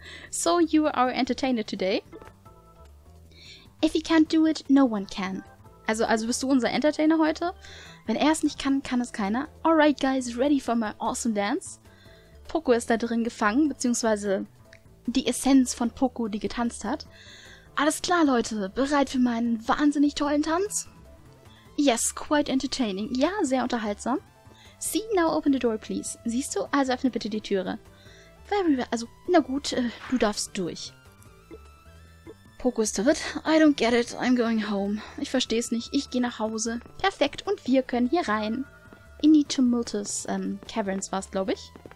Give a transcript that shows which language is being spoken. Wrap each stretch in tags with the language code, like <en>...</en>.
<en>So you are entertained today. If he can't do it, no one can.</en> <de>Also bist du unser Entertainer heute? Wenn er es nicht kann, kann es keiner.</de> <en>Alright guys, ready for my awesome dance.</en> <de>Poco ist da drin gefangen, beziehungsweise die Essenz von Poco, die getanzt hat. Alles klar Leute, bereit für meinen wahnsinnig tollen Tanz?</de> <en>Yes, quite entertaining.</en> <de>Ja, sehr unterhaltsam.</de> <en>See, now open the door please.</en> <de>Siehst du? Also öffne bitte die Türe.</de> <en>Very well.</en> <de>Also, na gut, du darfst durch. Poco ist verwirrt.</de> <en>I don't get it. I'm going home.</en> <de>Ich verstehe es nicht. Ich gehe nach Hause. Perfekt. Und wir können hier rein. In die Tumultus Caverns war es, glaube ich.</de>